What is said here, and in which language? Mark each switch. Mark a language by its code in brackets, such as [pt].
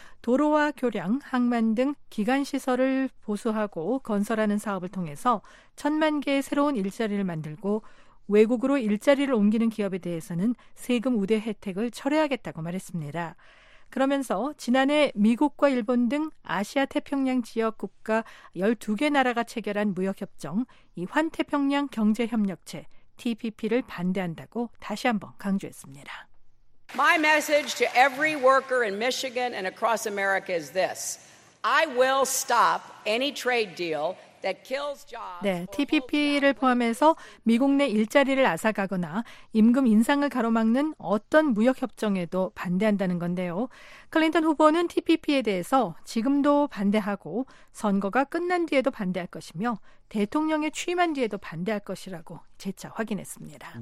[ko] 도로와 교량, 항만 등 기간시설을 보수하고 건설하는 사업을 통해서 천만 개의 새로운 일자리를 만들고 외국으로 일자리를 옮기는 기업에 대해서는 세금 우대 혜택을 철회하겠다고 말했습니다. 그러면서 지난해 미국과 일본 등 아시아 태평양 지역 국가 12개 나라가 체결한 무역협정, 이 환태평양 경제협력체 TPP를 반대한다고 다시 한번 강조했습니다. [en] My message to every worker in Michigan and across America is this. I will stop any trade deal. [ko] 네, TPP를 포함해서 미국 내 일자리를 앗아가거나 임금 인상을 가로막는 어떤 무역협정에도 반대한다는 건데요. 클린턴 후보는 TPP에 대해서 지금도 반대하고 선거가 끝난 뒤에도 반대할 것이며 대통령에 취임한 뒤에도 반대할 것이라고 재차 확인했습니다.